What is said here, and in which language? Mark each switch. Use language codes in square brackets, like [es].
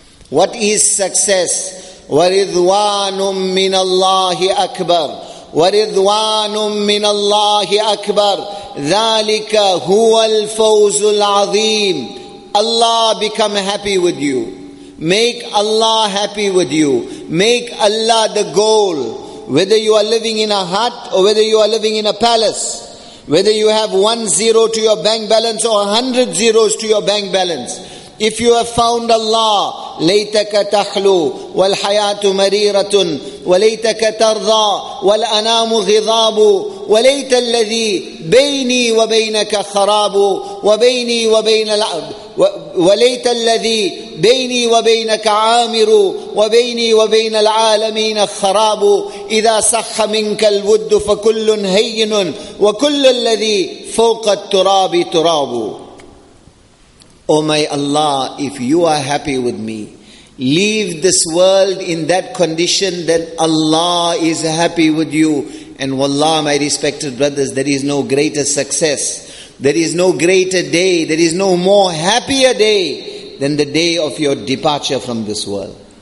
[en] What is success? [ar] وَرِضْوَانٌ مِّنَ اللَّهِ أَكْبَرُ وَرِضْوَانٌ مِّنَ اللَّهِ أَكْبَرُ ذَلِكَ هُوَ الْفَوْزُ الْعَظِيمُ. [en] Allah become happy with you. Make Allah happy with you. Make Allah the goal. Whether you are living in a hut or whether you are living in a palace, whether you have 1 zero to your bank balance or 100 zeros to your bank balance, if you have found Allah, [ar] لَيْتَكَ تَخْلُو وَالْحَيَاةُ مَرِيرَةٌ وَلَيْتَكَ تَرْضَى وَالْأَنَامُ غِضَابُ وَلَيْتَ الَّذِي بَيْنِي وَبَيْنَكَ خَرَابُ وَبَيْنِي وَبَيْنَ وَلَيْتَ الَّذِي بَيْنِي وَبَيْنَكَ عَامِرُ وَبَيْنِي وَبَيْنَ الْعَالَمِينَ خَرَابُ إِذَا سَخَّ مِنْكَ الْوُدُّ فَكُلٌّ هَيِّنٌ وَكُلُّ الَّذِي فَوْقَ التُّرَابِ تُرَابُ. [en] O my Allah, if you are happy with me, leave this world in that condition that Allah is happy with you. And wallah, my respected brothers, there is no greater success, there is no greater day, there is no more happier day than the day of your departure from this world.